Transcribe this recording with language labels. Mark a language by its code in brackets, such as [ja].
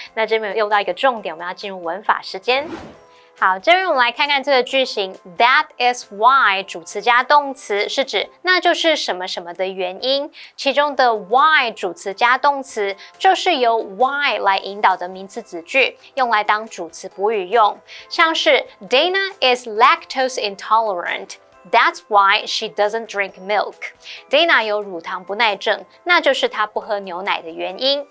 [zh] 那这边用到一个重点，我们要进入文法时间。好，这边我们来看看这个句型 ，That is why 主词加动词是指那就是什么什么的原因，其中的 why 主词加动词就是由 why 来引导的名词子句，用来当主词补语用，像是 [en] Dana is lactose intolerant。 That's why she doesn't drink milk. [zh] Dana 有乳糖不耐症，那就是她不喝牛奶的原因。